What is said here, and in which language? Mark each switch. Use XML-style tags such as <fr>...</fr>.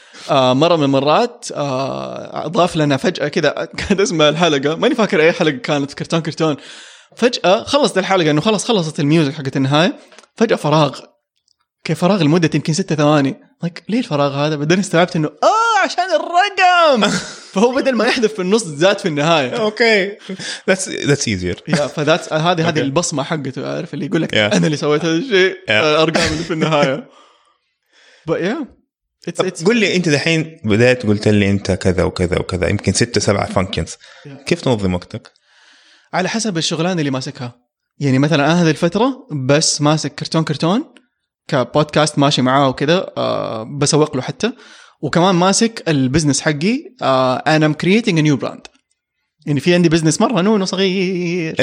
<ar>مرة من المرات أضاف لنا فجأة كذا كانت اسمها الحلقة ماني فاكر أي حلقة كانت كرتون كرتون، فجأة خلصت الحلقة إنه خلصت الميوزك حقت النهاية، فجأة فراغ كيف فراغ لمدة يمكن 6 ثواني like ليه الفراغ هذا، بدل استوعبت إنه عشان الرقم، فهو بدل ما يحذف في النص زاد في النهاية.</ar> <en>Okay that's easier.</en> <ar>yeah فذات هذه البصمة حقته أعرف اللي يقولك yeah. أنا اللي سويت هذا الشيء yeah. أرقام اللي في النهاية.</ar> <en>but yeah</en> <ar>قل لي انت دحين بدات قلت لي انت كذا وكذا وكذا يمكن 6-7 فانكشنز كيف تنظم وقتك؟ على حسب الشغلانه اللي ماسكها، يعني مثلا انا هذه الفتره بس ماسك كرتون كرتون كبودكاست ماشي معاه وكذا بسوق له حتى، وكمان ماسك البزنس حقي انا</ar> <en>I'm creating a new brand,</en> <ar>يعني في عندي بزنس مره نونو صغير.</ar>